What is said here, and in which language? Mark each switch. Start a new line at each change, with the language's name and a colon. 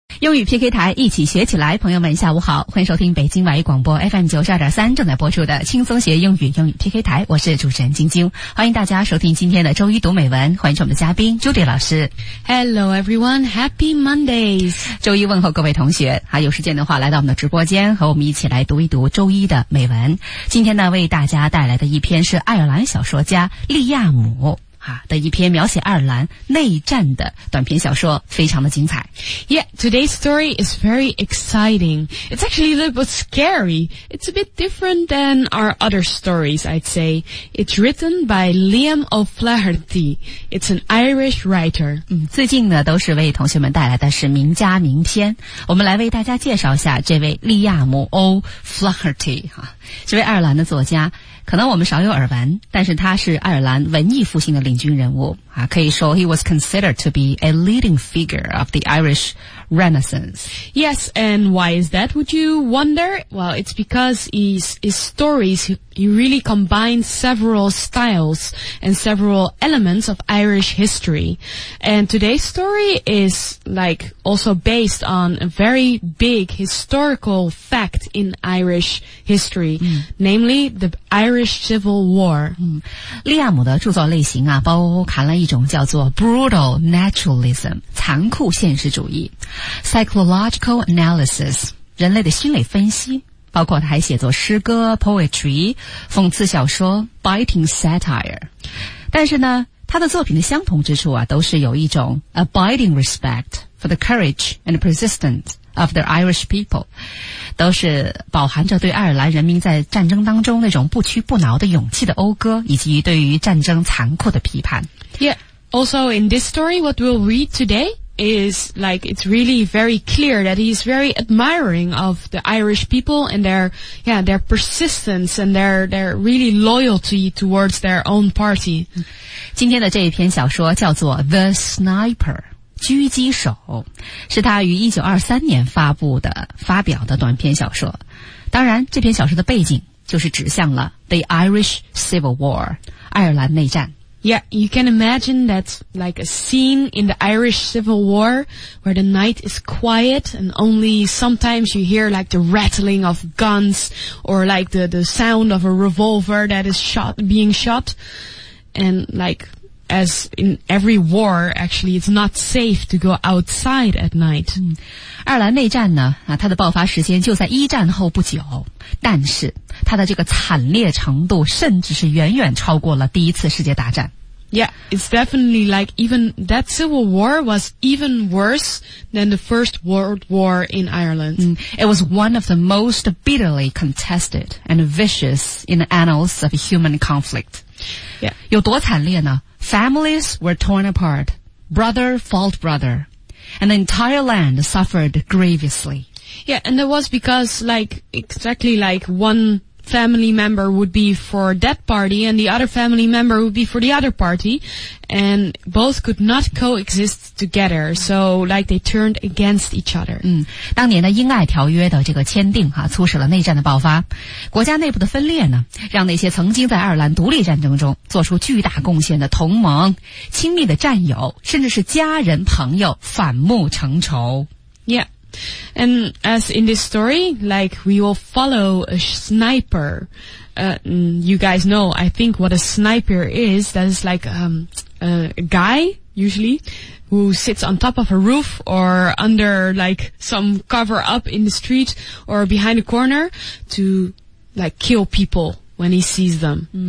Chinese: 英语 PK 台一起学起来，朋友们下午好，欢迎收听北京晚语广播 FM92.3 正在播出的轻松学英语，英语 PK 台，我是主持人晶晶，欢迎大家收听今天的周一读美文，欢迎我们的嘉宾 Judy 老师。
English: Hello everyone, Happy Mondays!
Chinese: 周一问候各位同学，还有时间的话来到我们的直播间和我们一起来读一读周一的美文。今天呢为大家带来的一篇是爱尔兰小说家利亚姆的一篇描写爱尔兰内战的短篇小说，非常的精彩。
English: Yeah, today's story is very exciting. It's actually a little bit scary. It's a bit different than our other stories, I'd say. It's written by Liam O'Flaherty. It's an Irish writer.
Chinese: 最近呢都是为同学们带来的是名家名篇。我们来为大家介绍一下这位利亚姆 O'Flaherty, 这位爱尔兰的作家。可能我们少有耳闻，但是他是爱尔兰文艺复兴的领军人物啊，可以说
English: he was considered to be a leading figure of the Irish Renaissance. Yes, and why is that, would you wonder? Well, it's because his stories, he really combined several styles and several elements of Irish history. And today's story is like also based on a very big historical fact in Irish history, namely the Irish Civil War.
Chinese: 利亚姆的著作类型啊，包含了一种叫做 brutal naturalism, 残酷现实主义。 Psychological analysis, 人类的心理分析，包括他还写作诗歌 poetry, 讽刺小说 biting satire. 但是呢，他的作品的相同之处啊，都是有一种
English: abiding respect for the courage and persistence of the Irish people,
Chinese: 都是饱含着对爱尔兰人民在战争当中那种不屈不挠的勇气的讴歌，以及对于战争残酷的批判。
English: Yeah, also in this story, what we'll read today,is like it's really very clear that he's very admiring of the Irish people and their persistence and their really loyalty towards their own party.
Chinese: 今天的这一篇小说叫做 The Sniper, 狙击手，是他于1923年发表的短篇小说。当然这篇小说的背景就是指向了 The Irish Civil War, 爱尔兰内战。
English: Yeah, you can imagine that like a scene in the Irish Civil War where the night is quiet and only sometimes you hear like the rattling of guns or like the sound of a revolver that is being shot. And like as in every war, actually, it's not safe to go outside at night.
Chinese: 爱尔兰内战呢，它的爆发时间就在一战后不久，但是它的这个惨烈程度甚至是远远超过了第一次世界大战。
English: Yeah, it's definitely like even that civil war was even worse than the First World War in Ireland. It was one of the most bitterly contested and vicious in the annals of human conflict. Yeah.
Chinese: 有多惨烈呢？
English: Families were torn apart. Brother fought brother. And the entire land suffered grievously. Yeah, and that was because like exactly like one... family member would be for that party and the other family member would be for the other party and both could not coexist together, so like they turned against each other.
Chinese: 当年的英爱条约的这个签订促使了内战的爆发，国家内部的分裂呢，让那些曾经在爱尔兰独立战争中做出巨大贡献的同盟、亲密的战友甚至是家人朋友反目成仇。
English: Yeah. And as in this story, like, we will follow a sniper. You guys know, I think, what a sniper is. That is like, a guy, usually, who sits on top of a roof or under, like, some cover up in the street or behind a corner to, like, kill people when he sees them.